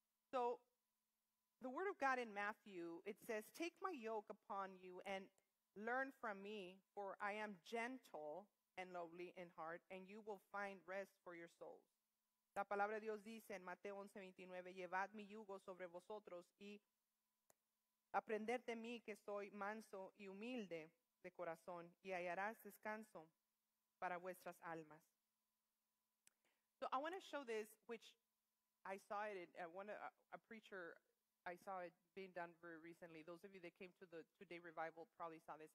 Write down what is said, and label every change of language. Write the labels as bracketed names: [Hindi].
[English] So the word of God in Matthew, it says, take my yoke upon you and learn from me, for I am gentle and lowly in heart, and you will find rest for your souls. [Spanish] La palabra de Dios dice en Mateo 11:29, llevad mi yugo sobre vosotros y aprended de mí que soy manso y humilde de corazón, y hallarás descanso para vuestras almas. [English] So I want to show this, which I saw it in a preacher, I saw it being done very recently. Those of you that came to the Today Revival probably saw this.